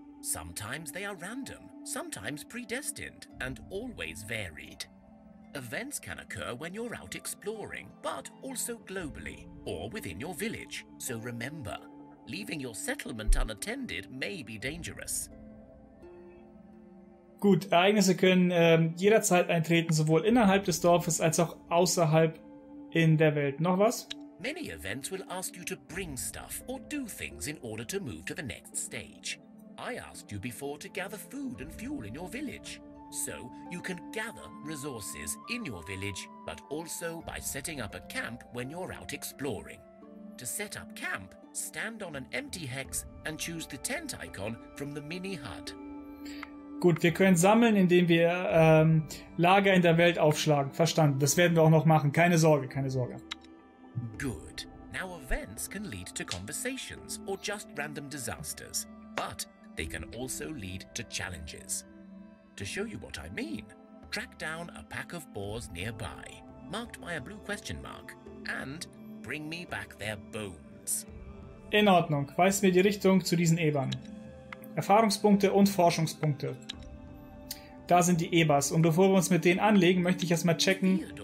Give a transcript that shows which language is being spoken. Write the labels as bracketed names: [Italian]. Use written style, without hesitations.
[English] Sometimes they are random, sometimes predestined and always varied. Events can occur when you're out exploring, but also globally, or within your village. So remember, leaving your settlement unattended may be dangerous. [German] Gut, Ereignisse können jederzeit eintreten, sowohl innerhalb des Dorfes als auch außerhalb in der Welt. Noch was? [English] Many events will ask you to bring stuff or do things in order to move to the next stage. I asked you before to gather food and fuel in your village. So, you can gather resources in your village, but also by setting up a camp when you're out exploring. To set up camp, stand on an empty hex and choose the tent icon from the mini HUD. [German] Gut, wir können sammeln, indem wir Lager in der Welt aufschlagen. Verstanden, das werden wir auch noch machen. Keine Sorge, keine Sorge. [English] Good. Now events can lead to conversations or just random disasters. but they can also lead to challenges. To show you what I mean, track down a pack of boars nearby, marked by a blue question mark, and bring me back their bones. [German] In Ordnung, weist mir die Richtung zu diesen Ebern. Erfahrungspunkte und Forschungspunkte. Da sind die Ebers, und bevor wir uns mit denen anlegen, möchte ich erstmal checken.